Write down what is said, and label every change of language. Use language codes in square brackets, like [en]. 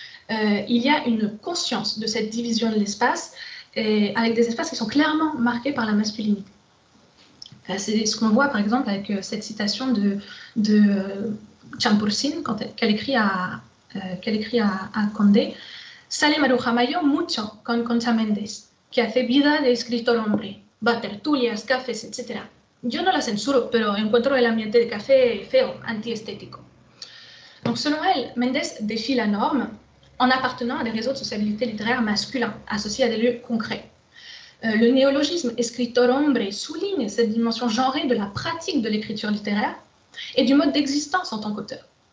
[fr] Il y a une conscience de cette division de l'espace et avec des espaces qui sont clairement marqués par la masculinité. C'est ce qu'on voit par exemple avec cette citation de Tiempolsino qu'elle écrit à Condé. [es] Sale Maruja Mayo mucho con Concha Méndez, que hace vida de escritor hombre, va tertulias, cafés, etc. Yo no la censuro, pero encuentro el ambiente de café feo, antiesthético. [fr] Donc selon elle, Méndez défie la norme en appartenant à des réseaux de sociabilité littéraire masculins, associés à des lieux concrets. Le néologisme escritor hombre souligne cette dimension genrée de la pratique de l'écriture littéraire et du mode d'existence en tant qu'auteur.